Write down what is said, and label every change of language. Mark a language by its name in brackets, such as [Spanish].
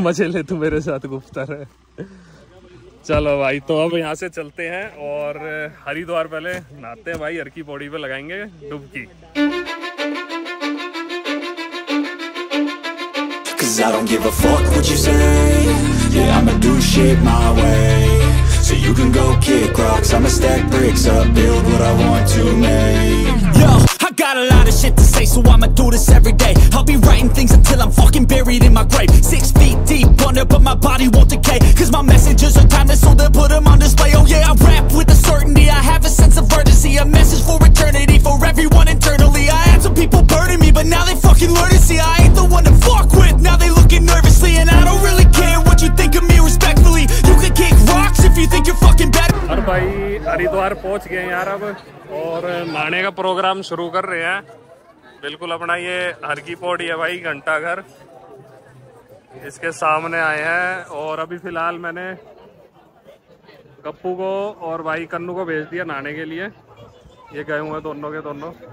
[Hindi] मजे ले तू मेरे साथ गुफ्तार है। चलो भाई तो अब यहाँ से चलते हैं और हरिद्वार पहले नहाते हैं भाई, अर्की पौड़ी पे लगाएंगे डुबकी। [English] So you can go kick rocks, I'ma stack bricks up, build what I want to make. Yo, I got a lot of shit to say, so I'ma do this every day. I'll be writing things until I'm fucking buried in my grave. 6 feet deep under, but my body won't decay. Cause my messages are timeless, so they'll put them on display. Oh yeah, I rap with a certainty, I have a sense of urgency. A message for eternity, for everyone internally. I had some people burning me, but now they fucking learn to see. I ain't the one to fuck with, now they looking nervously. And I don't really care what you think of me respectfully. You can kick rocks if you think you're fucking better. [Hindi] और भाई हरिद्वार पहुंच गए यार अब और नहाने का programme शुरू कर रहे हैं। बिल्कुल अपना ये हर की पौड़ी है भाई घंटाघर, इसके सामने आए हैं। और अभी फिलहाल मैंने गप्पू को और भाई कन्नू को भेज दिया नहाने के लिए, ये गए हुए दोनों के दोनों।